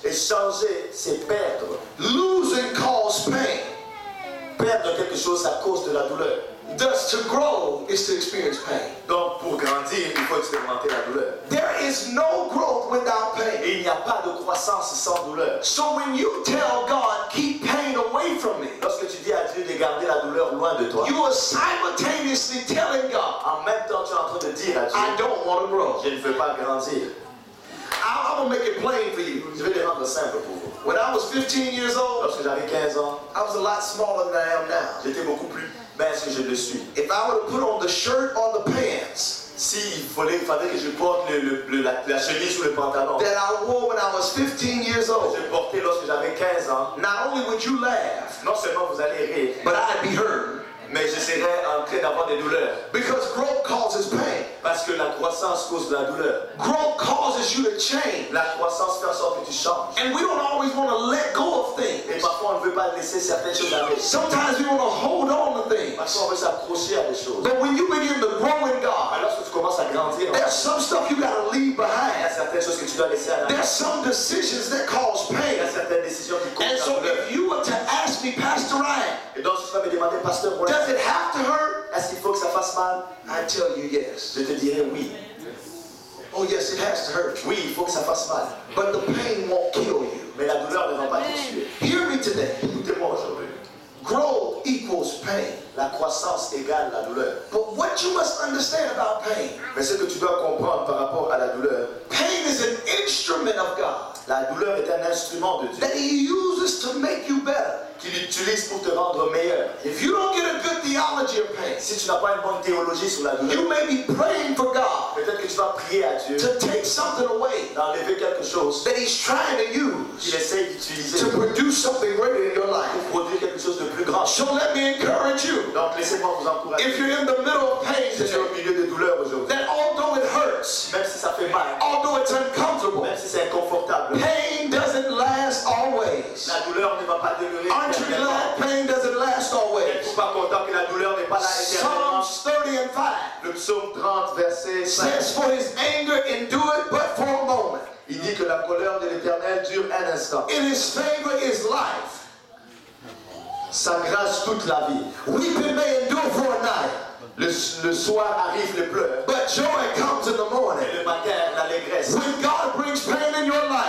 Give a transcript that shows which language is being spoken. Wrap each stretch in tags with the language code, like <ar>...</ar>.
<fr>Et changer, c'est perdre.</fr> <en>Losing causes pain.</en> <fr>Perdre quelque chose, ça cause de la douleur.</fr> <en>Thus, to grow is to experience pain.</en> <fr>Donc, pour grandir, il faut expérimenter la douleur.</fr> <en>There is no growth without pain.</en> <fr>Et il n'y a pas de croissance sans douleur.</fr> <en>So when you tell God, keep pain away from me,</en> <fr>lorsque tu dis à Dieu de garder la douleur loin de toi,</fr> <en>you are simultaneously telling God,</en> <fr>en même temps, tu es en train de dire à Dieu,</fr> <en>I don't want to grow.</en> <fr>Je ne veux pas grandir.</fr> <en>I'm going to make it plain for you.</en> <fr>Je vais le rendre simple pour vous.</fr> <en>When I was 15 years old,</en> <fr>lorsque j'avais 15 ans,</fr> <en>I was a lot smaller than I am now.</en> <fr>J'étais beaucoup plus mince que je le suis.</fr> <en>If I were to put on the shirt or the pants,</en> <fr>si il fallait que je porte la chemise ou le pantalon,</fr> <en>that I wore when I was 15 years old,</en> <fr>que je portais lorsque j'avais 15 ans,</fr> <en>not only would you laugh,</en> <fr>non seulement vous allez rire,</fr> <en>but I'd be hurt.</en> <fr>Mais je serais en train d'avoir des douleurs.</fr> <en>Because growth causes pain.</en> <fr>Parce que la croissance cause de la douleur.</fr> <en>Growth causes you to change.</en> <fr>La croissance fait en sorte que tu changes.</fr> <en>And we don't always want to let go of things.</en> <fr>Et parfois on ne veut pas laisser certaines choses aller.</fr> <en>Sometimes we want to hold on to things.</en> <fr>Parfois on veut s'accrocher à des choses.</fr> <en>But when you begin to grow in God,</en> <fr>lorsque tu commences à grandir,</fr> <en>there's some stuff you gotta leave behind.</en> <fr>Il y a certaines choses que tu dois laisser à la main.</fr> <en>There's some decisions that cause pain.</en> <fr>Il y a certaines décisions qui causent la</fr> <en>And so if you were to ask me, Pastor Ryan,</en> <fr>et donc si tu vas me demander, Pasteur Ryan,</fr> <en>does it have to hurt?</en> <fr>Est-ce qu'il faut que ça fasse mal?</fr> <en>I tell you yes.</en> <fr>Je te dirai oui.</fr> <en>Oh yes, it has to hurt.</en> <fr>Oui, il faut que ça fasse mal.</fr> <en>But the pain won't kill you.</en> <fr>Mais la douleur ne va pas te tuer.</fr> <en>Hear me today.</en> <fr>Écoutez-moi aujourd'hui.</fr> <en>Growth equals pain.</en> <fr>La croissance égale la douleur.</fr> <en>But what you must understand about pain?</en> <fr>Mais ce que tu dois comprendre par rapport à la douleur.</fr> <en>Pain is an instrument of God.</en> <fr>La douleur est un instrument de Dieu.</fr> <en>That He uses to make you better.</en> <fr>Qu'il utilise pour te rendre meilleur.</fr> <en>If you don't get a good theology of pain,</en> <fr>si tu n'as pas une bonne théologie sur la douleur,</fr> <en>you may be praying for God.</en> <fr>Peut-être que tu vas prier à Dieu.</fr> <en>To take something away.</en> <fr>D'enlever quelque chose.</fr> <en>That He's trying to use.</en> <fr>Qu'il essaie d'utiliser.</fr> <en>To produce something greater in your life.</en> <fr>Pour produire quelque chose de plus grand.</fr> <en>So let me encourage you.</en> <fr>Donc laissez-moi vous encourager.</fr> <en>If you're in the middle of pain,</en> <fr>si tu es au milieu de douleur aujourd'hui,</fr> <en>that although it hurts,</en> <fr>même si ça fait mal,</fr> <en>although it's uncomfortable,</en> <fr>même si c'est inconfortable,</fr> <en>pain doesn't last always.</en> <fr>La douleur ne va pas demeurer.</fr> <en>Pain doesn't last always.</en> <fr>Pas content que la douleur n'est pas là éternellement.</fr> <en>Psalms 30 and 5.</en> <fr>Le psaume 30 verset 5.</fr> <en>Says for His anger endure it but for a moment.</en> <fr>Il dit que la colère de l'Éternel dure un instant.</fr> <en>In His favor is life.</en> <fr>Sa grâce toute la vie.</fr> <en>Weeping may endure for a night.</en> <fr>Le soir arrive les pleurs.</fr> <en>But joy comes in the morning.</en> <fr>Et le matin l'allégresse.</fr> <en>When God brings pain in your life,</en>